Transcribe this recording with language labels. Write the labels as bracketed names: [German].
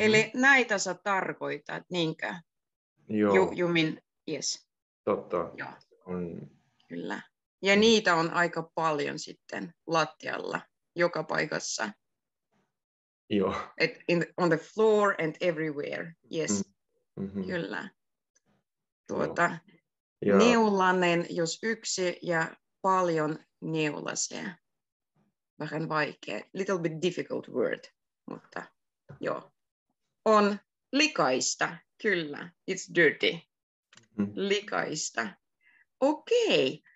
[Finnish] Eli näitä sä tarkoitat, niinkö? Joo. [English] Jumin, yes. [Finnish] Totta. Joo. On... Kyllä. Ja niitä on aika paljon sitten lattialla, joka paikassa. Joo. [English] At, in the, on the floor and everywhere, yes. Mm-hmm. [Finnish] Kyllä. Tuota, joo. Neulanen, jos yksi ja paljon neulasia. Vähän vaikea, little bit difficult word, mutta joo. On likaista, kyllä, it's dirty. Likaista. Okei.